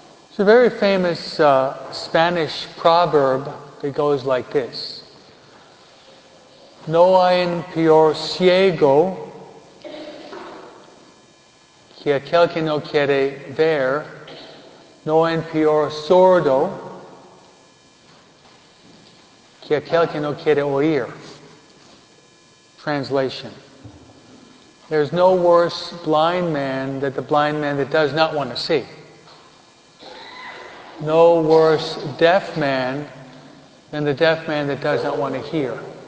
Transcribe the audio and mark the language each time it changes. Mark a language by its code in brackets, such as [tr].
[en] It's a very famous Spanish proverb that goes like this. [es] No hay peor ciego que aquel que no quiere ver. No hay peor sordo que aquel que no quiere oír. [en] Translation. There's no worse blind man than the blind man that does not want to see. No worse deaf man than the deaf man that does not want to hear.